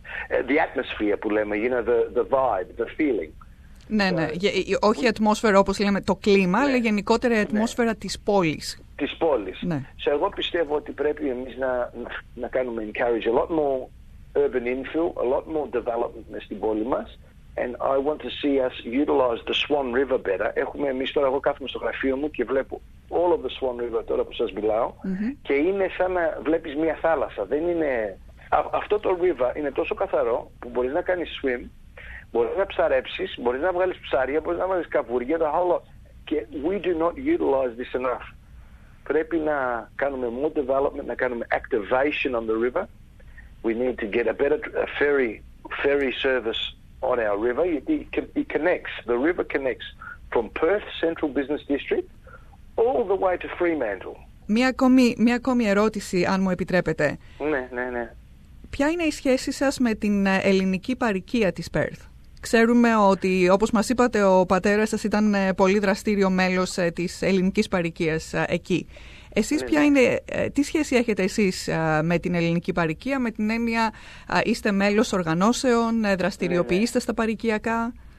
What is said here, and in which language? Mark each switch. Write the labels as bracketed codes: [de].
[en] The atmosphere [el] που λέμε, [en] you know, the vibe, the feeling. [el] Ναι, ναι. Όχι ατμόσφαιρα όπως λέμε το κλίμα, ναι. αλλά γενικότερα η ατμόσφαιρα ναι. της πόλης. Της πόλης. Ναι. So, εγώ πιστεύω ότι πρέπει εμείς να κάνουμε [en] encourage a lot more urban infill, a lot more development [el] μες στην πόλη μας. [en] And I want to see us utilize the Swan River better. [el] Έχουμε εμείς τώρα, εγώ κάθομαι στο γραφείο μου και βλέπω [en] all of the Swan River [el] τώρα που σας μιλάω. Mm-hmm. Και είναι σαν να βλέπεις μια θάλασσα. Δεν είναι... Αυτό το river είναι τόσο καθαρό που μπορείς να κάνεις swim, μπορείς να ψαρέψεις, μπορείς να βγάλεις ψάρια, μπορείς να βγάλεις καβούρια, [en] the whole lot. [el] Και [en] we do not utilize this enough. [el] Πρέπει να κάνουμε [en] more development, [el] να κάνουμε [en] activation on the river. We need to get a better ferry service on our river. It connects, the river connects from Perth Central Business District all the way to Fremantle. [el] Μία ακόμη ερώτηση, αν μου επιτρέπετε. Ναι, ναι, ναι. Ποια είναι η σχέση σας με την ελληνική παροικία της Perth? Ξέρουμε ότι, όπως μας είπατε, ο πατέρας σας ήταν πολύ δραστήριο μέλος της ελληνικής παροικίας εκεί. Εσείς ποια είναι, τι σχέση έχετε εσείς με την ελληνική παροικία, με την έννοια είστε μέλος οργανώσεων, δραστηριοποιείστε στα παροικιακά?